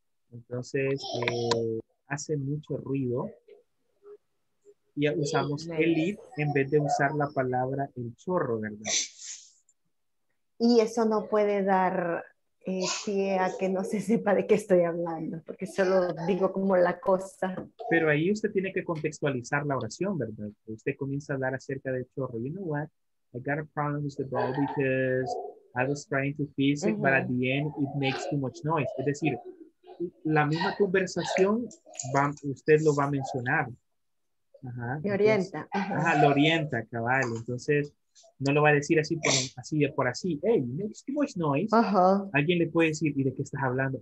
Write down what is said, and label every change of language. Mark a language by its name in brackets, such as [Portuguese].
[Spanish] Entonces, hace mucho ruido y usamos el it en vez de usar la palabra el chorro, ¿verdad? Y eso no puede dar pie a que no se sepa de qué estoy hablando, porque solo digo como la cosa. Pero ahí usted tiene que contextualizar la oración, ¿verdad? Usted comienza a hablar acerca del chorro. [English] You know what? I got a problem with the ball because I was trying to fix it, but at the end it makes too much noise. [Spanish] Es decir, la misma conversación usted lo va a mencionar. Ajá, me orienta. Ajá, lo orienta, cabal. Entonces, no lo va a decir así. [English] Hey, makes too much noise. [Spanish] Ajá. Alguien le puede decir, ¿y de qué estás hablando?